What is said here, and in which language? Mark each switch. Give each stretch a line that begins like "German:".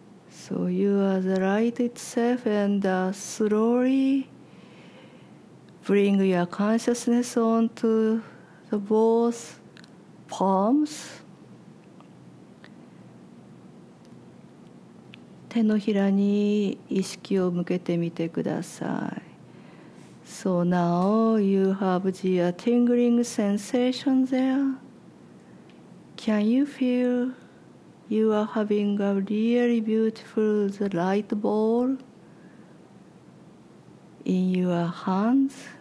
English: So you are the light itself and slowly bring your consciousness onto the both palms.
Japanese: 手のひらに意識を向けてみてください。
English: So now you have the tingling sensation there. Can you feel? You are having a really beautiful light ball in your hands.